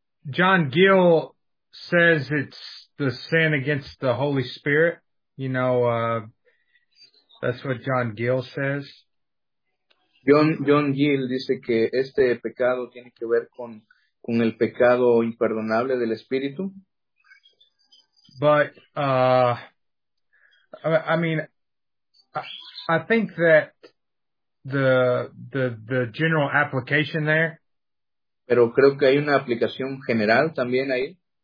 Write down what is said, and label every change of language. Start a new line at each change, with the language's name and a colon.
English: John Gill says it's the sin against the Holy Spirit. You know, that's what John Gill says.
Spanish: John Gill dice que este pecado tiene que ver con el pecado imperdonable del Espíritu.
English: But, I think that the general application there,
Spanish: pero creo que hay una aplicación general también ahí.